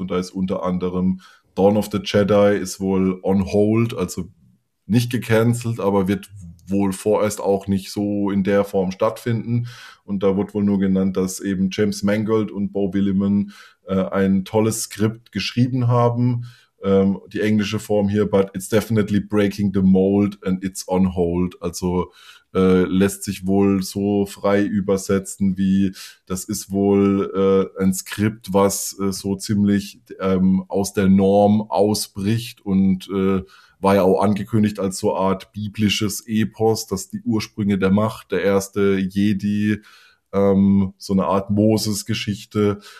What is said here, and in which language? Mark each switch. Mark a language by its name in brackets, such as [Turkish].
[German] Und da ist unter anderem Dawn of the Jedi ist wohl on hold, also nicht gecancelt, aber wird wohl vorerst auch nicht so in der Form stattfinden. Und da wird wohl nur genannt, dass eben James Mangold und Bo Willimon ein tolles Skript geschrieben haben. Die englische Form hier, [English] but it's definitely breaking the mold and it's on hold. [German] Also lässt sich wohl so frei übersetzen, wie das ist wohl ein Skript, was so ziemlich aus der Norm ausbricht und war ja auch angekündigt als so Art biblisches Epos, dass die Ursprünge der Macht, der erste Jedi, so eine Art Moses-Geschichte